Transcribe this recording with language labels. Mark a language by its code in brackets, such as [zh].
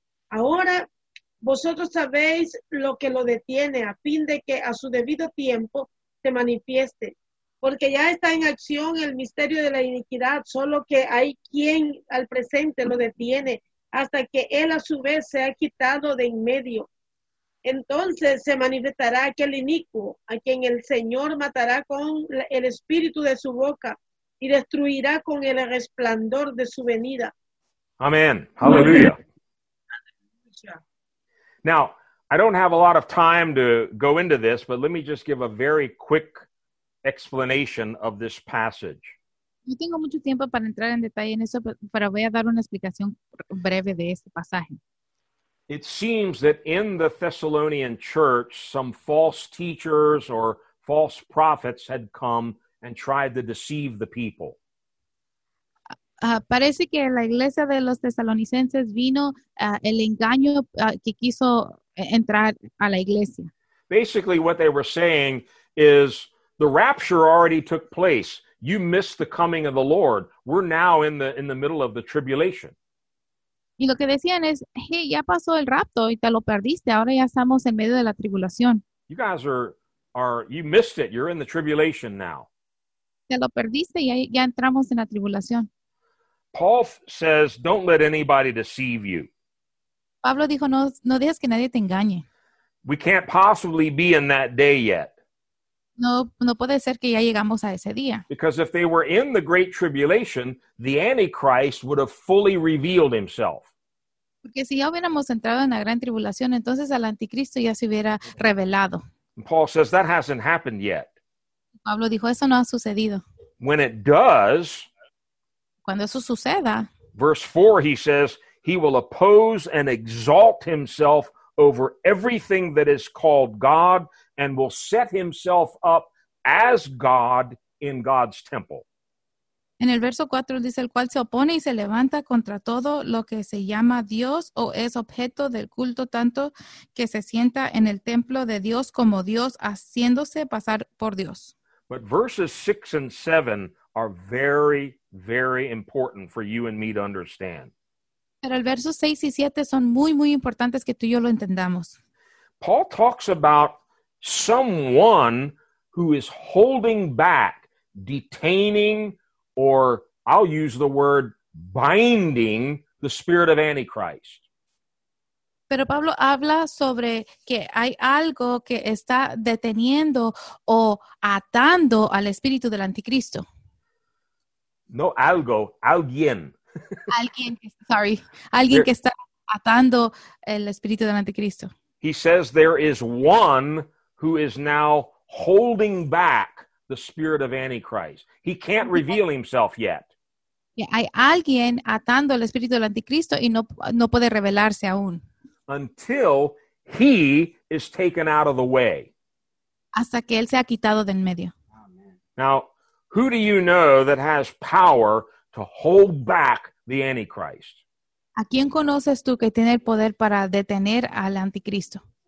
[es] Ahora vosotros sabéis lo que lo detiene a fin de que a su debido tiempo se manifieste, porque ya está en acción el misterio de la iniquidad, solo que hay quien al presente lo detiene hasta que él a su vez sea quitado de en medio. Entonces se manifestará aquel inicuo a quien el Señor matará con el espíritu de su boca y destruirá con el resplandor de su venida. Amén. Aleluya. [en] Now, I don't have a lot of time to go into this, but let me just give a very quick explanation of this passage. [es] No tengo mucho tiempo para entrar en detalle en eso, pero voy a dar una explicación breve de este pasaje. [en] It seems that in the Thessalonian church, some false teachers or false prophets had come and tried to deceive the people. [es] Parece que la iglesia de los tesalonicenses vino el engaño que quiso entrar a la iglesia. [en] Basically, what they were saying is the rapture already took place. You missed the coming of the Lord. We're now in the middle of the tribulation. [es] Y lo que decían es, hey, ya pasó el rapto y te lo perdiste. Ahora ya estamos en medio de la tribulación. [en] You guys are you missed it. You're in the tribulation now. [es] Te lo perdiste y ya entramos en la tribulación. [en] Paul says, don't let anybody deceive you. [es] Pablo dijo, no dejes que nadie te engañe. [en] We can't possibly be in that day yet. [es] No puede ser que ya llegamos a ese día. [en] Because if they were in the great tribulation, the Antichrist would have fully revealed himself. [es] Porque si ya hubiéramos entrado en la gran tribulación, entonces el anticristo ya se hubiera revelado. [en] And Paul says that hasn't happened yet. [es] Pablo dijo, eso no ha sucedido. [en] When it does, [es] cuando eso suceda, [en] verse 4 he says, he will oppose and exalt himself over everything that is called God, and will set himself up as God in God's temple. [es] En el verso 4 dice, el cual se opone y se levanta contra todo lo que se llama Dios o es objeto del culto, tanto que se sienta en el templo de Dios como Dios, haciéndose pasar por Dios. [en] But verses 6 and 7 are very, very important for you and me to understand. [es] Pero el verso 6 y 7 son muy, muy importantes que tú y yo lo entendamos. [en] Paul talks about someone who is holding back, detaining, or I'll use the word binding the spirit of Antichrist. [es] Pero Pablo habla sobre que hay algo que está deteniendo o atando al espíritu del anticristo. No algo, alguien. Alguien, [en] sorry, [es] alguien [en] there, [es] que está atando el espíritu del anticristo. [en] He says there is one who is now holding back the spirit of Antichrist. He can't reveal himself yet. [es] Yeah, hay alguien atando el espíritu del anticristo y no puede revelarse aún. [en] Until he is taken out of the way. [es] Hasta que él sea quitado del medio. [en] Now, who do you know that has power to hold back the Antichrist? [es] ¿A quién conoces tú que tiene el poder para detener al anticristo?